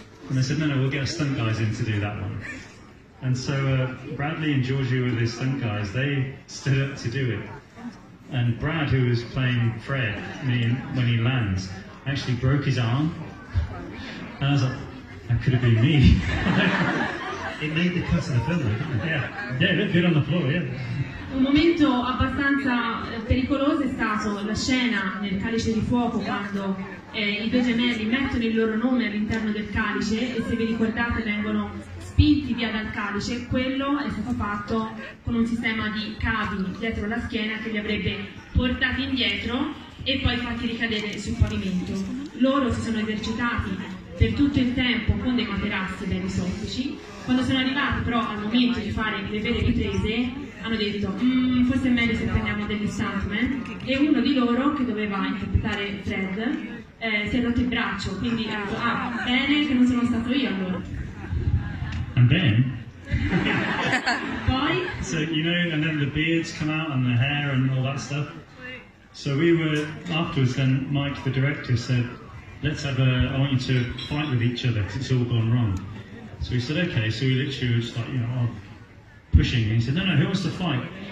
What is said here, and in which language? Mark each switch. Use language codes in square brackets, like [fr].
[en] And they said, no, we'll get our stunt guys in to do that one. And so Bradley and Georgie were the stunt guys, they stood up to do it. And Brad, who was playing Fred, when he lands, actually broke his arm. And I was like, that could have been me. It made the cut of the film, didn't it? Yeah. Yeah, it looked good on the floor, yeah. [it] Un momento abbastanza pericoloso è stato la scena nel calice di fuoco quando i due gemelli mettono il loro nome all'interno del calice e se vi ricordate vengono spinti via dal calice. Quello è stato fatto con un sistema di cavi dietro la schiena che li avrebbe portati indietro e poi fatti ricadere sul pavimento. Loro si sono esercitati per tutto il tempo con dei materassi ben soffici. Quando sono arrivati però al momento di fare le vere riprese hanno detto forse è meglio se prendiamo degli stuntmen e uno di loro che doveva interpretare Fred si è dato il braccio, quindi ha detto bene che non sono stato io allora. [en] And then [it] poi [en] so you know and then the beards come out and the hair and all that stuff. So we were afterwards then Mike the director said let's have a, I want you to fight with each other because it's all gone wrong. So he said, okay. So we literally were just like, you know, pushing. And he said, no, who wants to fight?